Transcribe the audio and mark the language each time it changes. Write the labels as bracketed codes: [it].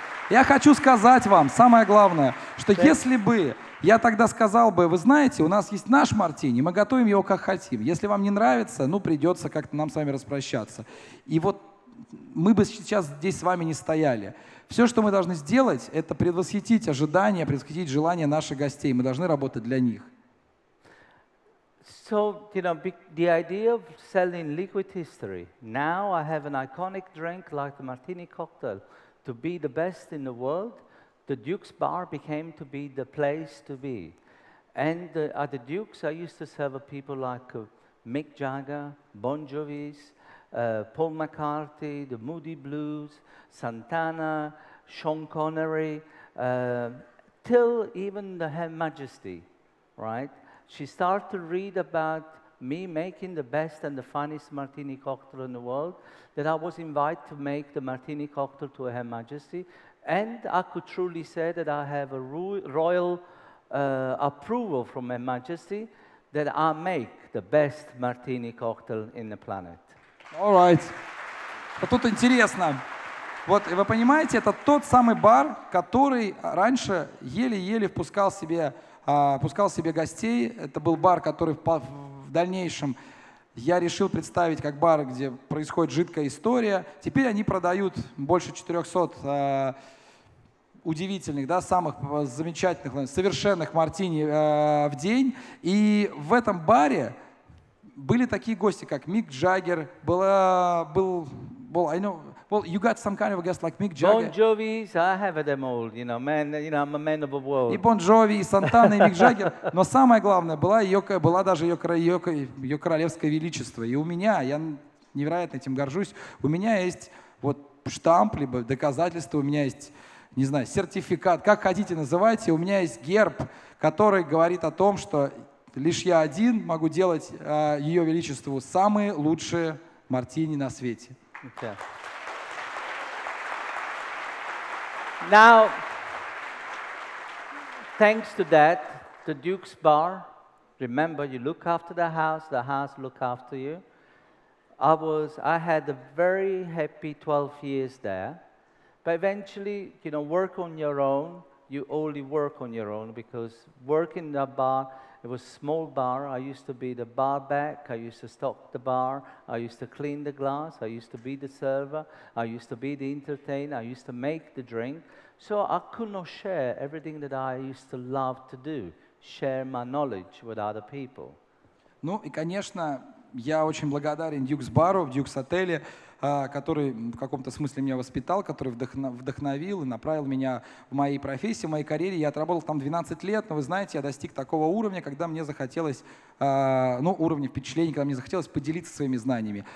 [ru] Я хочу сказать вам, самое главное, что если бы я тогда сказал бы, вы знаете, у нас есть наш мартини, мы готовим его как хотим. Если вам не нравится, ну придется как-то нам с вами распрощаться. И вот мы бы сейчас здесь с вами не стояли. Все, что мы должны сделать, это предвосхитить ожидания, предвосхитить желания наших гостей. Мы должны работать для них. [en] So, you know, the idea of selling liquid history. Now I have an iconic drink like the martini cocktail to be the best in the world. The Duke's bar became to be the place to be. And at the Duke's, I used to serve people like Mick Jagger, Bon Jovi, Paul McCartney, the Moody Blues, Santana, Sean Connery, till even the Her Majesty, right? She started to read about me making the best and the finest martini cocktail in the world, that I was invited to make the martini cocktail to Her Majesty, and I could truly say that I have a royal approval from Her Majesty that I make the best martini cocktail in the planet. All right. [ru] А тут интересно. Вот, вы понимаете, это тот самый бар, который раньше еле-еле впускал себе гостей. Это был бар, который в дальнейшем я решил представить как бар, где происходит жидкая история. Теперь они продают больше 400 удивительных, да, самых замечательных, совершенных мартини в день. И в этом баре были такие гости, как Мик Джаггер, был, [en] I know, well, you got some kind of a guest like Mick Jagger. Bon Jovi, I have them all, you know, man, you know, I'm a man of the world. [ru] И Бон Джови, и Сантана, и Мик Джаггер. Но самое главное, была даже ее королевское величество. И у меня, я невероятно этим горжусь, у меня есть вот штамп, либо доказательство, у меня есть, не знаю, сертификат, как хотите называйте, у меня есть герб, который говорит о том, что лишь я один могу делать Ее Величеству самые лучшие мартини на свете. [en] Okay. Now, thanks to that, the Duke's Bar, remember, you look after the house look after you. I had a very happy 12 years there. But eventually, you know, work on your own, you only work on your own, because working in that bar, it was a small bar. I used to be the bar back. I used to stock the bar. I used to clean the glass. I used to be the server. I used to be the entertainer. I used to make the drink. So I could not share everything that I used to love to do, share my knowledge with other people. [ru] Ну и, конечно, я очень благодарен Duke's Bar, Duke's Hotel, который в каком-то смысле меня воспитал, который вдохновил и направил меня в моей профессии, в моей карьере. Я отработал там 12 лет, но вы знаете, я достиг такого уровня, когда мне захотелось, ну, уровня впечатлений, когда мне захотелось поделиться своими знаниями.